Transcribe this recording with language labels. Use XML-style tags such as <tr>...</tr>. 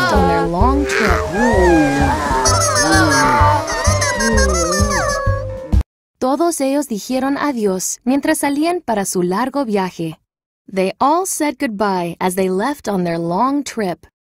<en>They all said goodbye as they left on their long trip.</en> <es>Todos ellos dijeron adiós mientras salían para su largo viaje.</es> <en>They all said goodbye as they left on their long trip.</en>